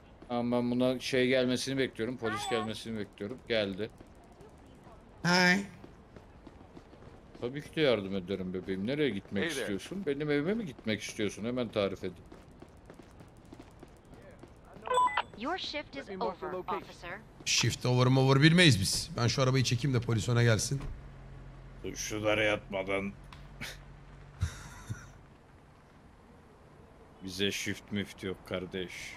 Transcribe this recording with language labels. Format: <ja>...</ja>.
<tr>Ama ben buna şey gelmesini bekliyorum. Polis gelmesini bekliyorum. Geldi.</tr> <en>Hi.</en> <tr>Tabii ki de yardım ederim bebeğim. Nereye gitmek istiyorsun? Benim evime mi gitmek istiyorsun? Hemen tarif edin.</tr> <en>Your shift is over, officer. Shift over</en> <tr>mu over bilmeyiz biz. Ben şu arabayı çekeyim de polis ona gelsin. Şunlara yatmadan bize shift müft yok kardeş.</tr>